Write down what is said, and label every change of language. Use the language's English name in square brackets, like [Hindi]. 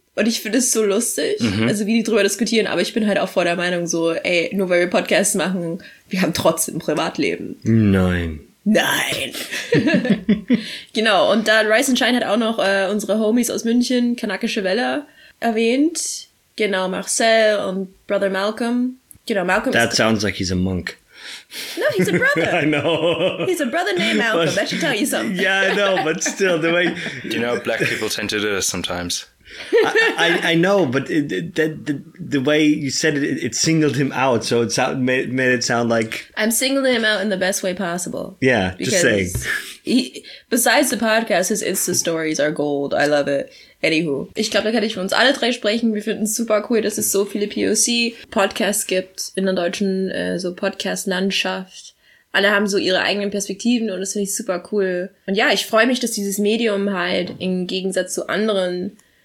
[German] Und ich finde es so lustig, also wie die drüber diskutieren, aber ich bin halt auch vor der Meinung so, ey, nur weil wir Podcasts machen, wir haben trotzdem Privatleben. Nein. Genau, und da Rise and Shine hat auch noch unsere Homies aus München, Kanakische Welle, erwähnt. Genau, Marcel und Brother Malcolm. Genau, Malcolm. [English] That sounds like he's a monk. No, he's a brother. I know. He's a brother named Malcolm, but, that should tell you something. Yeah, I know, but still, the way... You know, black people tend to do this sometimes. I know, but the way you said it, it singled him out, so it sound, made it sound like... I'm singling him out in the best way possible. Yeah, just saying. Besides the podcast, his Insta-Stories are gold. I love it. Anywho. [German] Ich glaube, da kann ich für uns alle drei sprechen. Wir finden es super cool, dass es so viele POC-Podcasts gibt in der deutschen so Podcast-Landschaft. Alle haben so ihre eigenen Perspektiven und das finde ich super cool. Und ja, ich freue mich, dass dieses Medium halt im Gegensatz zu anderen...